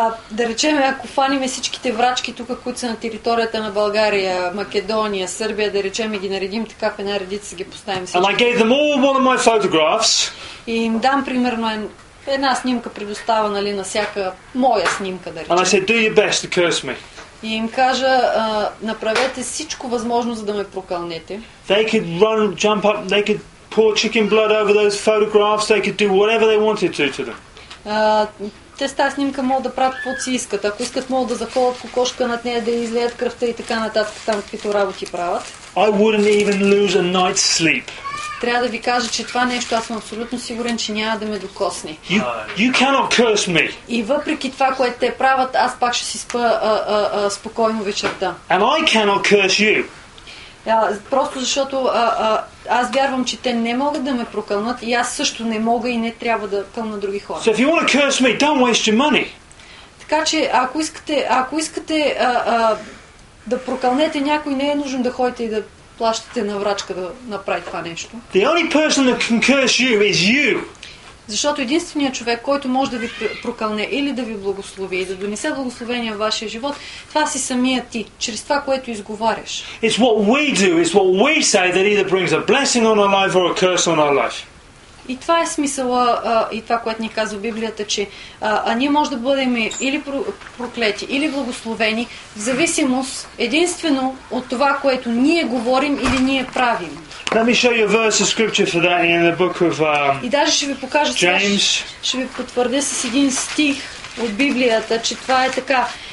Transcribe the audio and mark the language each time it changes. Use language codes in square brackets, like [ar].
[bg] Да речем, ако фаним всичките врачки тук, които са на територията на България, Македония, Сърбия, да речем, ги наредим така в една редица, ги поставим всички. [en] And I gave them all one of my photographs. [bg] И им дам примерно Една снимка предоставя, нали, на всяка моя снимка, да речем. [en] And I said, do your best to curse me. [bg] И им кажа, направете всичко възможно, за да ме прокълнете. [en] They could run, jump up, they could pour chicken blood over those photographs, they could do whatever they wanted to them. [bg] Те с тази снимка могат да правят каквото си искат. Ако искат, могат да заколят кокошка над нея, да излеят кръвта и така нататък, там каквито работи правят. [en] I wouldn't even lose a night's sleep. [bg] Трябва да ви кажа, че това нещо аз съм абсолютно сигурен, че няма да ме докосне. [en] You cannot curse me. [bg] И въпреки това, което те правят, аз пак ще си спа спокойно вечерта. [en] And I cannot curse you. [bg] Просто защото аз вярвам, че те не могат да ме прокълнат и аз също не мога и не трябва да кълна други хора. [en] So if you want to curse me, don't waste your money. [bg] Така че ако искате да прокълнете някой, не е нужно да ходите и да плащате на врачка да направи това нещо. [en] The only person that can curse you is you. [bg] Защото единственият човек, който може да ви прокълне или да ви благослови и да донесе благословение в вашия живот, това си самия ти, чрез това, което изговаряш. [en] It's what we do, it's what we say that either brings a blessing on our life or a curse on our life. [bg] И това е смисъла и това, което ни казва Библията, че ние може да бъдем или проклети, или благословени, в зависимост единствено от това, което ние говорим или ние правим. [en] Let me show you a verse of scripture for that in the book of [bg] И даже ще ви покажа, [en] James. [bg] Ще ви потвърдя с един стих от Библията, че това е така.